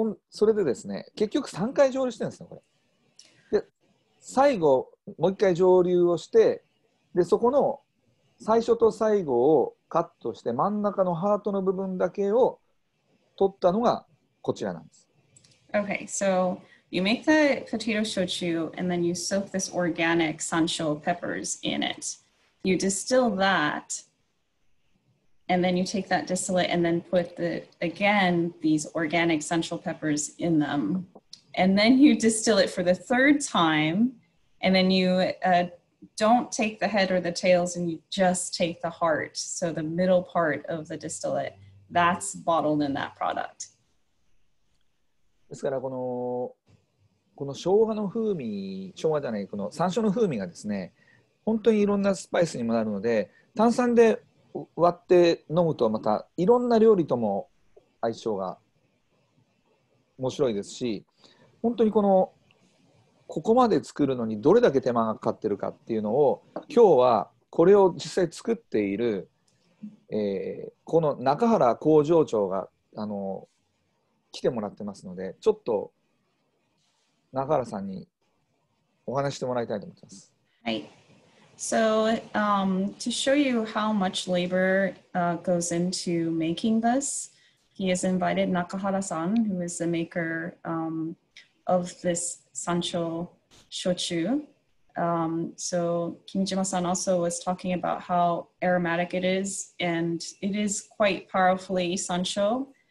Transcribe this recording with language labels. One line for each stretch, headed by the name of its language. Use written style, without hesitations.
Japanese: それでですね、結局3回蒸留してるんですよ、これ。で、最後、もう1回蒸留をして、で、そこの最初と最後をカットして真ん中のハートの部分だけを取ったのがこちらなんです。
English: Okay, so you make the potato shochu and then you soak this organic sancho peppers in it. You distill that and then you take that distillate and then put the, again, these organic sancho peppers in them. And then you distill it for the third time and then you... don't take the head or the tails and you just take the heart, so the middle part of the distillate, that's bottled in that product.
Japanese: ですからこの生姜の風味、生姜じゃない、この山椒の風味がですね、本当にいろんなスパイスにもなるので、炭酸で割って飲むとまたいろんな料理とも相性が面白いですし、本当にこのここまで作るのにどれだけ手間がかかってるかっていうのを今日はこれを実際作っているこの中原工場長が来てもらってますので、ちょっと中原さんにお話してもらいたいと思ってます。はい。
English: So, to show you how much labor goes into making this, he has invited Nakahara-san, who is the maker of this Sancho Shochu. So, Kimijima-san also was talking about how aromatic it is, and it is quite powerfully Sancho.